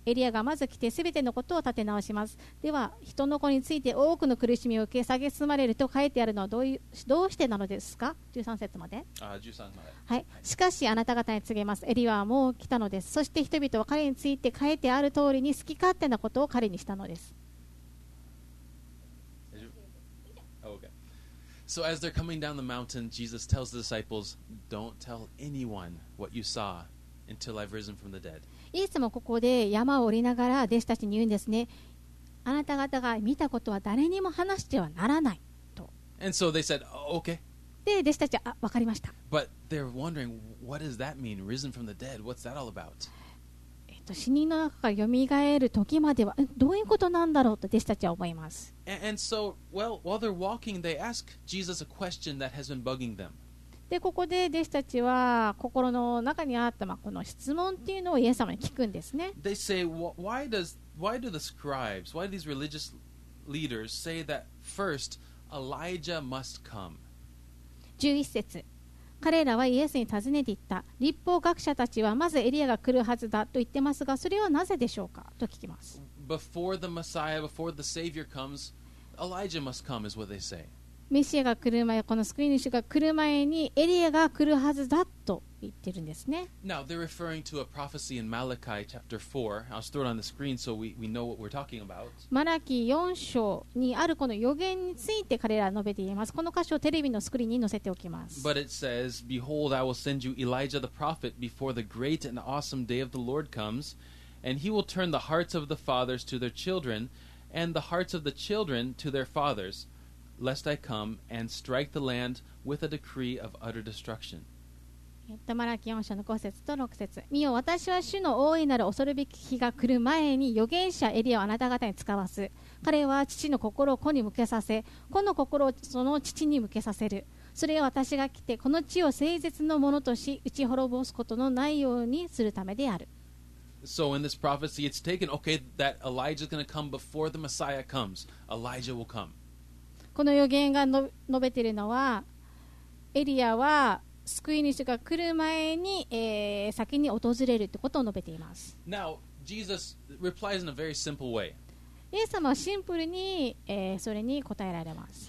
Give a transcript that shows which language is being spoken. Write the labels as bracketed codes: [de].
[ja] エリアがまず来て全てのことを立て直します。では人の子について多くの苦しみを受け蔑まれると書いてあるのはどうしてなのですか。 13節まで。 13まで。しかしあなた方に告げます、エリアはもう来たのです。そして人々は彼について書いてある通りに好き勝手なことを彼にしたのです。 [en] So as they're coming down the mountain, Jesus tells the disciples, "Don't tell anyone what you saw until I've risen from the dead." [ja] イエスもここで山を降りながら弟子たちに言うんですね。あなた方が見たことは誰にも話してはならないと。 [en] And so they said, "Okay." [ja] で弟子たちは、わかりました。 [en] But they're wondering, what does that mean? Risen from the dead? What's that all about? [ja] 死人の中からよみがえる時まではどういうことなんだろうと弟子たちは思います。でここで弟子たちは心の中にあったこの質問っていうのをイエス様に聞くんですね。 [en] They say, why do these religious leaders say that first Elijah must come? [ja] 11節。彼らはイエスに尋ねていった。律法学者たちはまずエリアが来るはずだと言ってますが、それはなぜでしょうかと聞きます。 [en] Before the Messiah, before the Savior comes, Elijah must come, is what they say. [ja] メシアが来る前、この救い主が来る前にエリアが来るはずだと言ってるんですね。 [en] Now they're referring to a prophecy in Malachi chapter 4. I'll just throw it on the screen so we know what we're talking about. [ja] マラキ4章にあるこの予言について彼らは述べています。この箇所をテレビのスクリーンに載せておきます。 [en] But it says, "Behold, I will send you Elijah the prophet before the great and awesome day of the Lord comes, and he will turn the hearts of the fathers to their children, and the hearts of the children to their fathers, lest I come and strike the land with a decree of utter destruction." [ja] マラキ4章の5節と6節。見よ、私は主の大いなる恐るべき日が来る前に預言者エリアをあなた方に使わす。彼は父の心を子に向けさせ、子の心をその父に向けさせる。それは私が来てこの地を聖絶のものとし、打ち滅ぼすことのないようにするためである。 [en] So in this prophecy it's taken, okay, that Elijah is going to come before the Messiah comes. Elijah will come. [ja] この預言が述べているのは、エリアは救い主が来る前に、先に訪れるということを述べています。 [en] Now, Jesus replies in a very simple way. [ja] イエス様はシンプルに、それに答えられます。